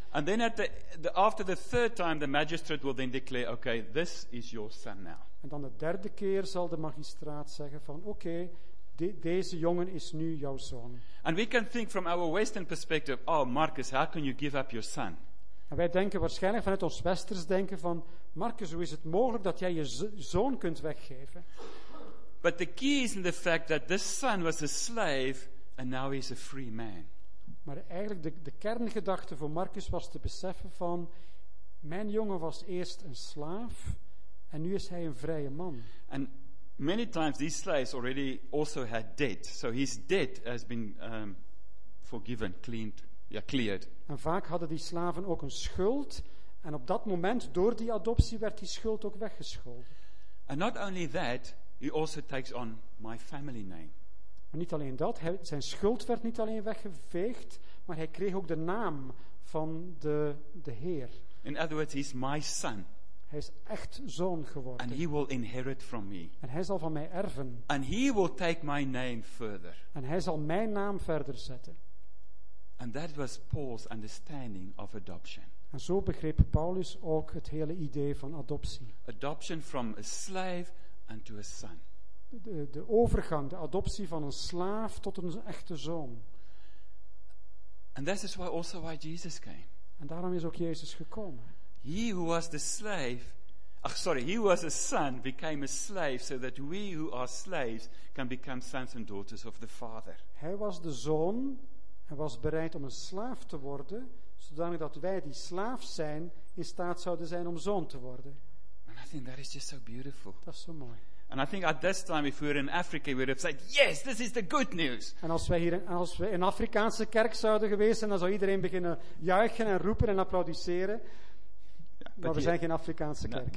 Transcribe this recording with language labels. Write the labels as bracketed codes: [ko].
[en] And then after the third time, the magistrate will then declare, okay, this is your son now. [nl] En dan de derde keer zal de magistraat zeggen van, deze jongen is nu jouw zoon. [en] And we can think from our Western perspective, oh Marcus, how can you give up your son? [nl] En wij denken waarschijnlijk vanuit ons Westers denken van, Marcus, hoe is het mogelijk dat jij je zoon kunt weggeven? [en] But the key is in the fact that this son was a slave and now he's a free man. [nl] Maar eigenlijk de kerngedachte voor Marcus was te beseffen van, mijn jongen was eerst een slaaf en nu is hij een vrije man. [en] And many times these slaves already also had debt, so his debt has been forgiven, cleaned, cleared. [nl] En vaak hadden die slaven ook een schuld en op dat moment door die adoptie werd die schuld ook weggescholden. [en] And not only that, he also takes on my family name. [nl] Maar niet alleen dat, zijn schuld werd niet alleen weggeveegd, maar hij kreeg ook de naam van de Heer. [en] In other words, he's my son. [nl] Hij is echt zoon geworden. [en] And he will inherit from me. [nl] En hij zal van mij erven. [en] And he will take my name further. [nl] En hij zal mijn naam verder zetten. [en] And that was Paul's understanding of adoption. [nl] En zo begreep Paulus ook het hele idee van adoptie. [en] Adoption from a slave unto a son. [nl] De overgang, de adoptie van een slaaf tot een echte zoon. [en] And that is why Jesus came. [nl] En daarom is ook Jezus gekomen. [en] He who was the slave, he who was a son became a slave so that we who are slaves can become sons and daughters of the Father. [nl] Hij was de zoon. Hij was bereid om een slaaf te worden, zodanig dat wij die slaaf zijn, in staat zouden zijn om zoon te worden. [en] And I think that is just so beautiful. [nl] Dat is zo mooi. [en] And I think at this time, if we were in Africa, we would have said, yes, this is the good news. [nl] En als we in Afrikaanse kerk zouden geweest zijn, dan zou iedereen beginnen juichen en roepen en applaudisseren. Yeah, maar we zijn geen Afrikaanse kerk.